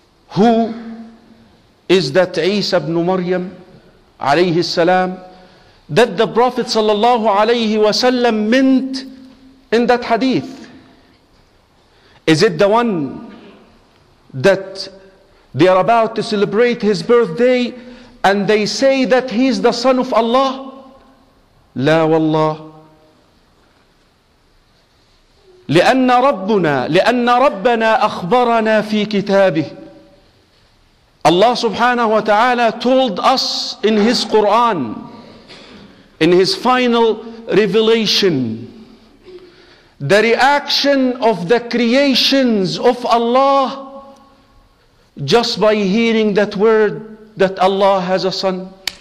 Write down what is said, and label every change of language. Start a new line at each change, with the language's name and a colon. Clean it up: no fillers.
English: Who is that Isa ibn Maryam alayhi salam that the Prophet sallallahu alayhi wa sallam meant in that hadith? Is it the one that they are about to celebrate his birthday and they say that he is the son of Allah?
Arabic: لا والله. لأن ربنا أخبرنا في كتابه.
English: Allah subhanahu wa ta'ala told us in His Quran, in His final revelation, the reaction of the creations of Allah just by hearing that word that Allah has a son.